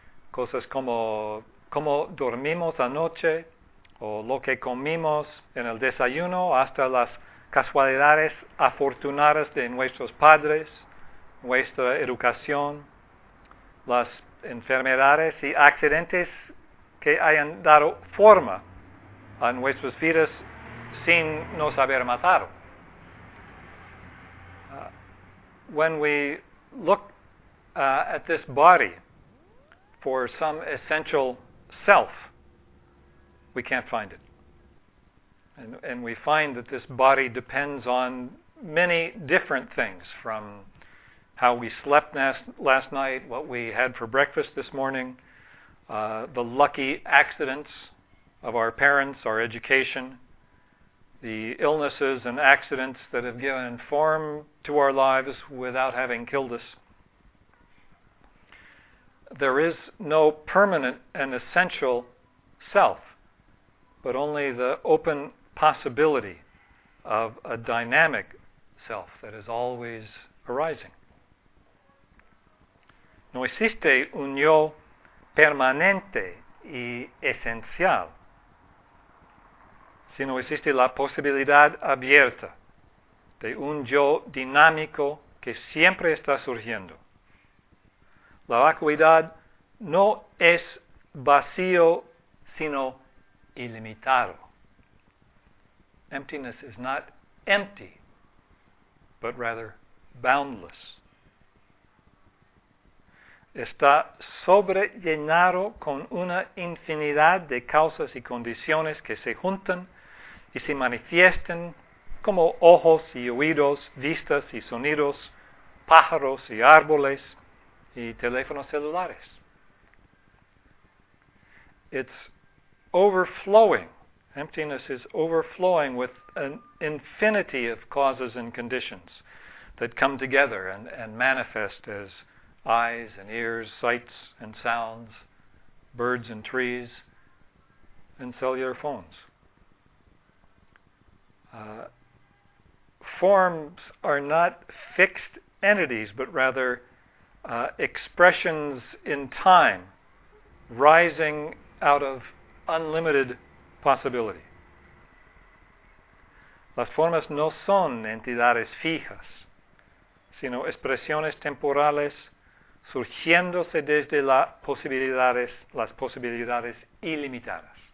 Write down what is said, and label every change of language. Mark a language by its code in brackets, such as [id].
[es] Cosas como cómo dormimos anoche, o lo que comimos en el desayuno, hasta las casualidades afortunadas de nuestros padres, nuestra educación, las enfermedades y accidentes que hayan dado forma a nuestras vidas sin nos haber matado. [en] When we look at this body for some essential self, we can't find it. And we find that this body depends on many different things, from how we slept last night, what we had for breakfast this morning, the lucky accidents of our parents, our education, the illnesses and accidents that have given form to our lives without having killed us. There is no permanent and essential self, but only the open possibility of a dynamic self that is always arising. [es] No existe un yo permanente y esencial, sino existe la posibilidad abierta de un yo dinámico que siempre está surgiendo. La vacuidad no es vacío, sino illimitado. [en] Emptiness is not empty, but rather boundless. [es] Está sobrellenado con una infinidad de causas y condiciones que se juntan y se manifiestan como ojos y oídos, vistas y sonidos, pájaros y árboles y teléfonos celulares. [en] It's overflowing. Emptiness is overflowing with an infinity of causes and conditions that come together and manifest as eyes and ears, sights and sounds, birds and trees, and cellular phones. Forms are not fixed entities, but rather expressions in time, rising out of unlimited possibility. [es] Las formas no son entidades fijas, sino expresiones temporales surgiéndose desde las posibilidades ilimitadas.